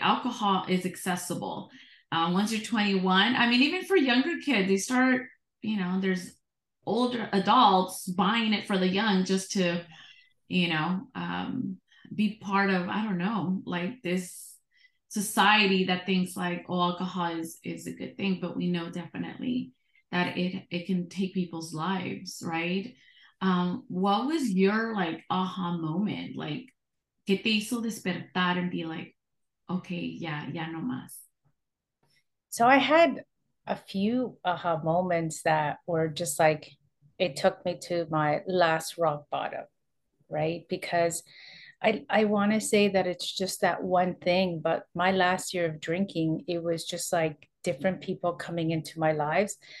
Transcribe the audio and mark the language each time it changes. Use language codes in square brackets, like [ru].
[en] Alcohol is accessible. Once you're 21, I mean, even for younger kids, they start, you know, there's older adults buying it for the young just to, you know, be part of, I don't know, like this society that thinks like, oh, alcohol is a good thing, but we know definitely that it can take people's lives, right? What was your like aha moment? Like, [es] ¿qué te hizo despertar [en] and be like, okay, [es] ya no más? [en] So I had a few aha moments that were just like, it took me to my last rock bottom, right? Because I want to say that it's just that one thing, but my last year of drinking, it was just like different people coming into my lives.